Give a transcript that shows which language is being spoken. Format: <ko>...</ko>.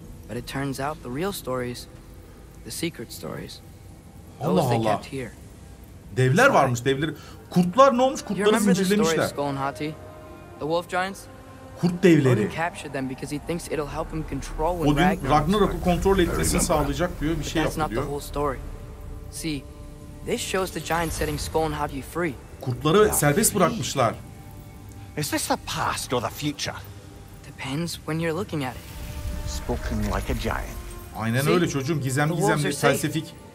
<en>But it turns out the real stories, the secret stories.</en> <tr>Allah Allah. Devler varmış, devleri. Kurtlar ne olmuş? Kurtları zincirlemişler.</tr> <en>The wolf giants?</en> <tr>Kurt devleri.</tr> <en>Odin captured them because he thinks it'll help him control when</en> <tr>Odin Ragnarok'u kontrol etmesini sağlayacak diyor, bir şey yapıyor.</tr> <en>The whole story. See, this shows the giants setting Skoll and Hati free. Kurtları serbest bırakmışlar. Is this the past or the future? Depends when you're looking at it. Spoken like a giant.</en> <tr>Aynen öyle çocuğum, gizem gizem bir felsefik.</tr>